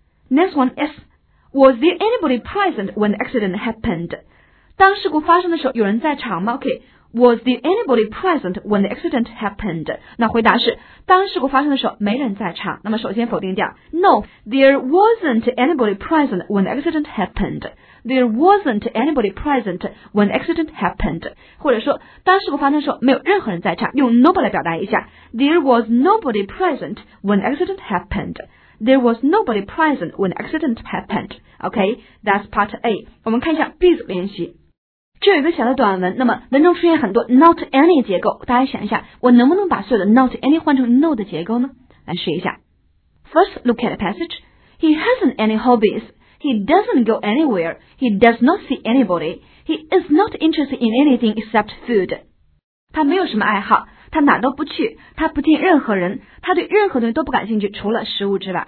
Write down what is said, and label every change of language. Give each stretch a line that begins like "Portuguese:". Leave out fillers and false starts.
English: Next one is, was there anybody present when the accident happened?
Chinese: 当事故发生的时候有人在场吗 ？OK.
English: Was there anybody present when the accident happened?
Chinese: 那回答是当事故发生的时候没人在场。那么首先否定掉。
English: No, there wasn't anybody present when the accident happened. There wasn't anybody present when the accident happened.
Chinese: 或者说当事故发生的时候没有任何人在场，用 nobody 来表达一下。
English: There was nobody present when the accident happened. There was nobody present when the accident happened. Okay, that's part A.
Chinese: 我们看一下 B 组练习。这有一个小的短文，那么文中出现很多 not any 结构，大家想一下，我能不能把所有的 not any 换成 no 的结构呢？来试一下。
English: First, look at the passage. He hasn't any hobbies. He doesn't go anywhere. He does not see anybody. He is not interested in anything except food.
Chinese: 他没有什么爱好，他哪都不去，他不见任何人，他对任何东西都不感兴趣，除了食物之外。